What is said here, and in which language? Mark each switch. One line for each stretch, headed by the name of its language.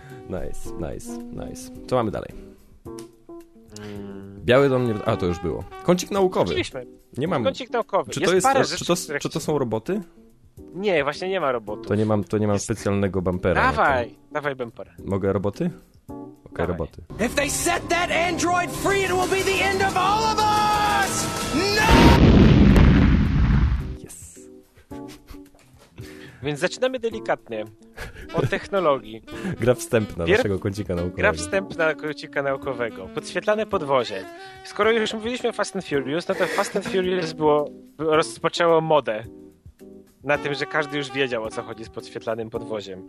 Polish: Nice. Co mamy dalej? Biały dom nie... A, to już było. Kącik naukowy. Chcieliśmy. Nie mam. Kącik naukowy. Czy to jest parę rzeczy, czy to są roboty? Nie, właśnie nie ma robotów. To nie mam specjalnego bumpera. Dawaj bumper. Mogę roboty? Okej, okay, roboty.
English: If they set that android free, it will be the end of all of us! No! Yes.
Polish: Więc zaczynamy delikatnie. O technologii. Gra wstępna naszego kącika naukowego. Gra wstępna kącika naukowego. Podświetlane podwozie. Skoro już mówiliśmy o Fast and Furious, no to Fast and Furious rozpoczęło modę na tym, że każdy już wiedział, o co chodzi z podświetlanym podwoziem.